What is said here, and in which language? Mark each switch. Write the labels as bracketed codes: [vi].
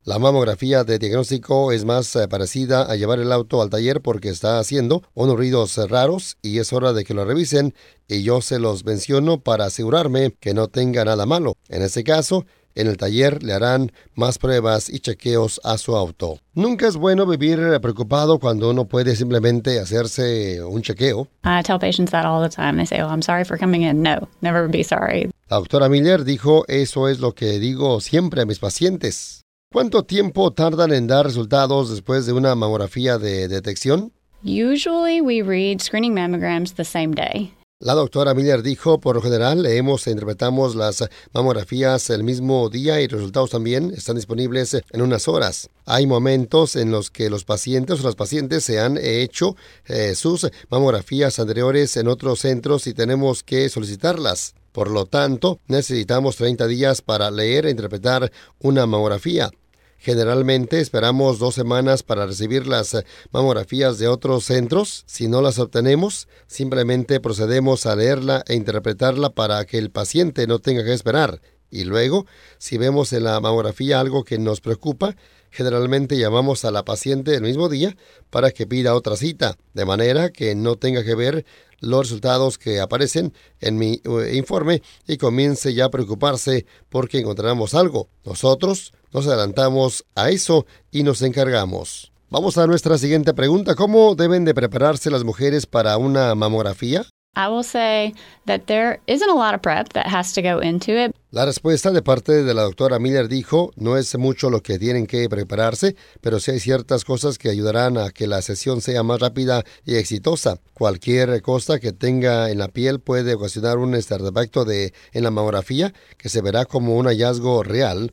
[es] La mamografía de diagnóstico es más parecida a llevar el auto al taller porque está haciendo unos ruidos raros y es hora de que lo revisen y yo se los menciono para asegurarme que no tenga nada malo. En ese caso, en el taller le harán más pruebas y chequeos a su auto. Nunca es bueno vivir preocupado cuando uno puede simplemente hacerse un chequeo. [en] I tell patients that all the time. They say, oh, I'm sorry for coming in. No, never be sorry. [es] La doctora Miller dijo, eso es lo que digo siempre a mis pacientes. ¿Cuánto tiempo tardan en dar resultados después de una mamografía de detección? [en] Usually we read screening mammograms the same day. [es] La doctora Miller dijo, por lo general, leemos e interpretamos las mamografías el mismo día y resultados también están disponibles en unas horas. Hay momentos en los que los pacientes o las pacientes se han hecho sus mamografías anteriores en otros centros y tenemos que solicitarlas. Por lo tanto, necesitamos 30 días para leer e interpretar una mamografía. Generalmente esperamos 2 semanas para recibir las mamografías de otros centros. Si no las obtenemos, simplemente procedemos a leerla e interpretarla para que el paciente no tenga que esperar. Y luego, si vemos en la mamografía algo que nos preocupa, generalmente llamamos a la paciente el mismo día para que pida otra cita, de manera que no tenga que ver los resultados que aparecen en mi informe y comience ya a preocuparse porque encontramos algo. Nosotros nos adelantamos a eso y nos encargamos. Vamos a nuestra siguiente pregunta. ¿Cómo deben de prepararse las mujeres para una mamografía? [en] I will say that there isn't a lot of prep that has to go into it. [es] La respuesta de parte de la doctora Miller dijo, no es mucho lo que tienen que prepararse, pero sí hay ciertas cosas que ayudarán a que la sesión sea más rápida y exitosa. Cualquier cosa que tenga en la piel puede ocasionar un artefacto en la mamografía que se verá como un hallazgo real.